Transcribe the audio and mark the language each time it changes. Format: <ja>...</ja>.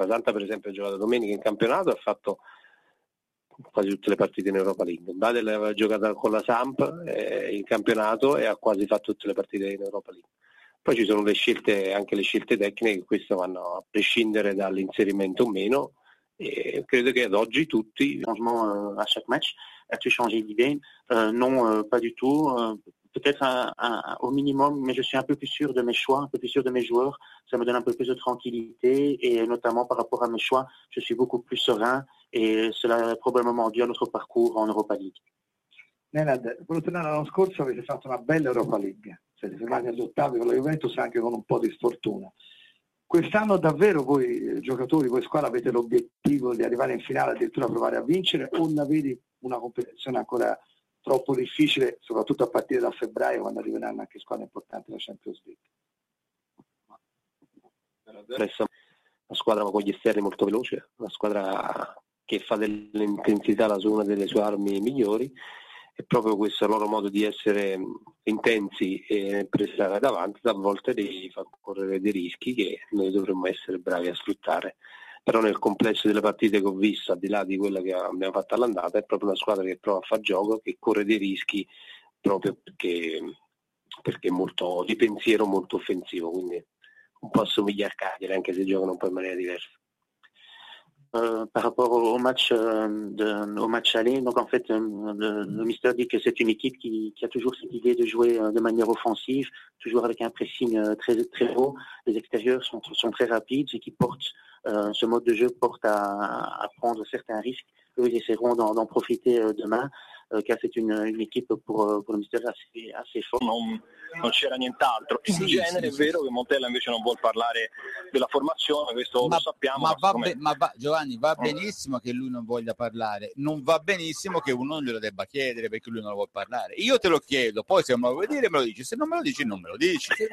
<it>Basanta per esempio ha giocato domenica in campionato, ha fatto quasi tutte le partite in Europa League. Badel aveva giocato con la Samp in campionato e ha quasi fatto tutte le partite in Europa League. Poi ci sono le scelte tecniche che questo vanno a prescindere dall'inserimento o meno.</it> <fr>Et je crois que aujourd'hui, tout changement à chaque match, as-tu changé d'idée? Non, pas du tout. Peut-être au minimum, mais je suis un peu plus sûr de mes choix, un peu plus sûr de mes joueurs. Ça me donne un peu plus de tranquillité et notamment par rapport à mes choix, je suis beaucoup plus serein et cela a probablement dû à notre parcours en Europa League.</fr> <it>Nenad, quello tornare l'anno scorso avete fatto una bella Europa League. Siete tornati agli ottavi con la Juventus anche con un po' di sfortuna. Quest'anno davvero voi giocatori, voi squadra avete l'obiettivo di arrivare in finale, addirittura provare a vincere o ne vedi una competizione ancora troppo difficile, soprattutto a partire da febbraio, quando arriveranno anche squadre importanti della Champions League. Presso la squadra con gli esterni molto veloce, una squadra che fa dell'intensità la sua, una delle sue armi migliori, e proprio questo loro modo di essere intensi e pressare davanti a volte li fa correre dei rischi che noi dovremmo essere bravi a sfruttare. Però nel complesso delle partite che ho visto, al di là di quella che abbiamo fatto all'andata, è proprio una squadra che prova a far gioco, che corre dei rischi proprio perché è molto di pensiero, molto offensivo, quindi un po' assomiglia al Cagliari, anche se giocano un po' in maniera diversa.</it> <fr>Par rapport au match aller, donc en fait le mister dit que c'est une équipe qui a toujours cette idée de jouer de manière offensive, toujours avec un pressing très très haut. Les extérieurs sont très rapides, ce qui porte ce mode de jeu porte à prendre certains risques. Eux, ils essaieront d'en profiter demain, car c'est une équipe pour le mister assez forte.</fr> <it>Non c'era nient'altro. In sì, genere sì, è sì. Vero che Montella invece non vuol parlare della formazione, questo ma, lo sappiamo. Giovanni, va benissimo che lui non voglia parlare, non va benissimo che uno non glielo debba chiedere perché lui non lo vuol parlare. Io te lo chiedo, poi se me lo vuoi dire me lo dici, se non me lo dici non me lo dici.</it>